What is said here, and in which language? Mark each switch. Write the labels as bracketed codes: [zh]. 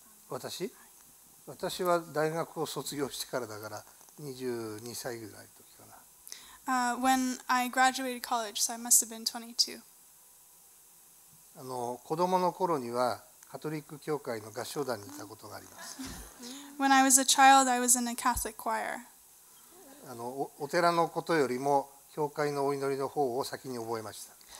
[en] I was [ja] 大学を卒業してからだから22歳ぐらいの時かな。 [en] When I graduated college, so I must have been 22. [ja] 子供の頃にはカトリック教会の合唱団にいたことがあります。 [en] When I was a child, I was in a Catholic choir. [ja] お寺のことよりも教会のお祈りの方を先に覚えました。